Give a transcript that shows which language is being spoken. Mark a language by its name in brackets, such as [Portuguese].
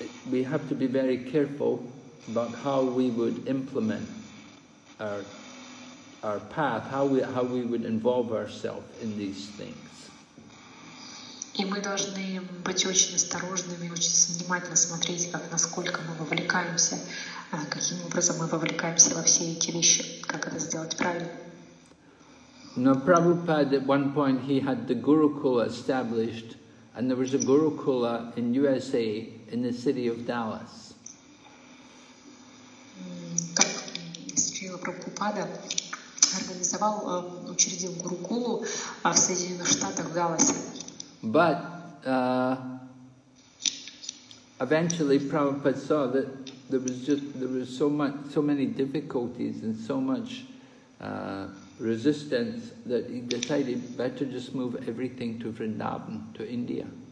[English] We have to be very careful about how we would implement our path, how we would involve ourselves in these things. [Russian] И мы должны быть очень осторожными, очень внимательно смотреть, как, насколько мы вовлекаемся, каким образом мы вовлекаемся во все эти вещи, как это сделать правильно. Но [English] Prabhupada at one point he had the Gurukula established, and there was a Gurukula in USA in the city of Dallas. [Russian] Как Шрила Прабхупада организовал, учредил Гурукулу в Соединенных Штатах, в Далласе. [English] But eventually Prabhupada saw that there was so many difficulties and so much resistance that he decided better just move everything to Vrindavan, to India.